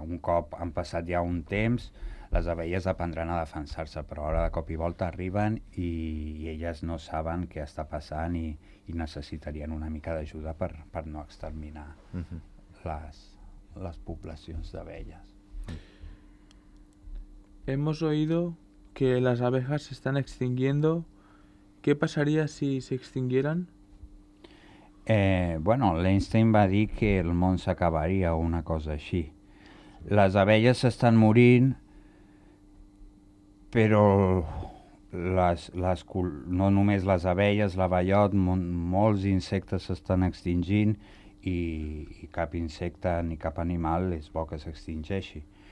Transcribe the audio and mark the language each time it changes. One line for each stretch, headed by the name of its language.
Catalan: Un cop han passat ja un temps, les abelles aprendran a defensar-se, però ara de cop i volta arriben i elles no saben què està passant i necessitarien una mica d'ajuda per no exterminar les poblacions d'abelles.
Spanish: Hemos oído que las abejas se están extinguiendo. ¿Qué pasaría si se extinguieran?
Catalan: Bueno, Einstein va dir que el món s'acabaria o una cosa així. Les abelles estan morint, però no només les abelles, l'abellot, molts insectes s'estan extingint i cap insecte ni cap animal és bo que s'extingeixi.